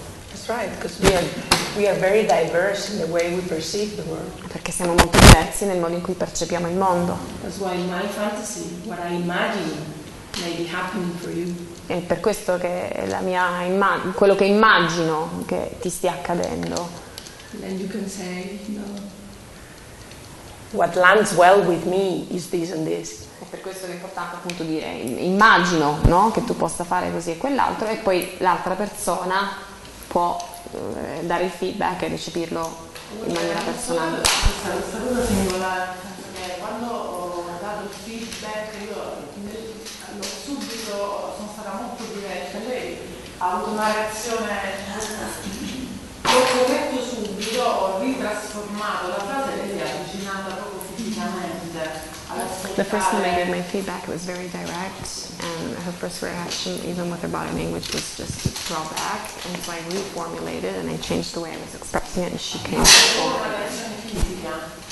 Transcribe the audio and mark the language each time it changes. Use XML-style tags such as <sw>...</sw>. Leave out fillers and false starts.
<en>That's right, because we are very diverse in the way we perceive the world.</en> <it>Perché siamo molto diversi nel modo in cui percepiamo il mondo.</it> <en>That's why in my fantasy, what I imagine may be happening for you.</en> <it>È per questo che la mia quello che immagino che ti stia accadendo.</it> <en>Then you can say, no. What lands well with me is this and this.</en> <it>È per questo che è importante appunto dire, immagino, no, che tu possa fare così e quell'altro, e poi l'altra persona può dare il feedback e recepirlo in maniera personale. Questa cosa singolare, quando ho dato il feedback, io subito sono stata molto diretta, lei ha avuto una reazione, l'ho detto subito, ho ritrasformato la frase e lei è avvicinata proprio fisicamente.</it> <en>The first time I gave my feedback, it was very direct, and her first reaction, even with her body language, was just to draw back, and so I reformulated, and I changed the way I was expressing it, and she came forward.</en>